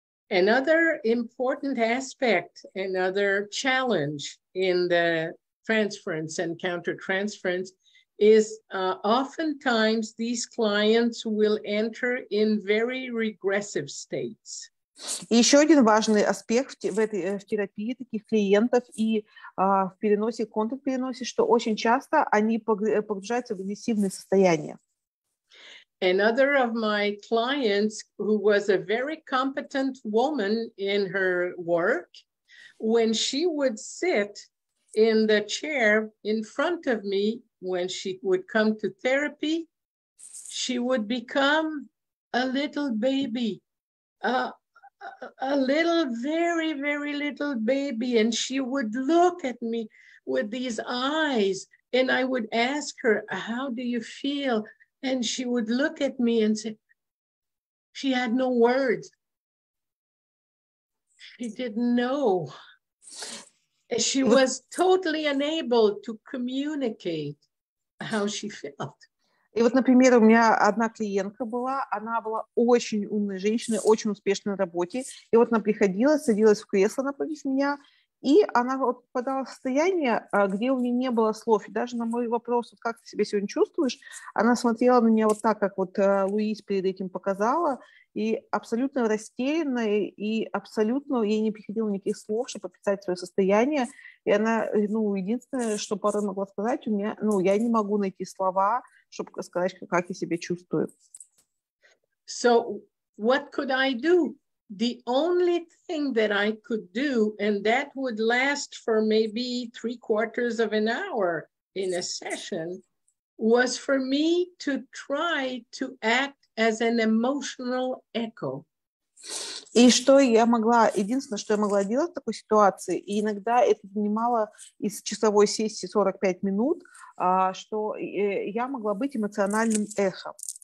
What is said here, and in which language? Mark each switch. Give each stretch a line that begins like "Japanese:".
English: Another important aspect, another challenge in the transference and counter-transference is oftentimes these clients will enter in very regressive states.
Russian: И еще один важный аспект в терапии таких клиентов и в переносе, контрпереносе, что очень часто они погружаются в агрессивные состояния.
English: Another of my clients, who was a very competent woman in her work, when she would sit in the chair in front of me, when she would come to therapy, she would become a little baby. A little, very, very little baby, and she would look at me with these eyes, and I would ask her, how do you feel? And she would look at me and say, she had no words. She didn't know. She was totally unable to communicate how she felt.
Russian: И вот, например, у меня одна клиентка была, она была очень умной женщиной, очень успешной на работе. И вот она приходила, садилась в кресло напротив меня, и она вот попадала в состояние, где у нее не было слов. И даже на мой вопрос, как ты себя сегодня чувствуешь, она смотрела на меня вот так, как вот Луиз перед этим показала, и абсолютно растерянная, и абсолютно ей не приходило никаких слов, чтобы описать свое состояние. И она, ну, единственное, что порой могла сказать, у меня, ну, я не могу найти слова, чтобы сказать, как я себя чувствую.
English: So, what could I do? The only thing that I could do, and that would last for maybe 3/4 of an hour in a session, was for me to try to act as an emotional echo.
Russian: И что я могла, единственное, что я могла делать в такой ситуации, и иногда это занимало из часовой сессии 45 минут, что я могла быть эмоциональным эхом.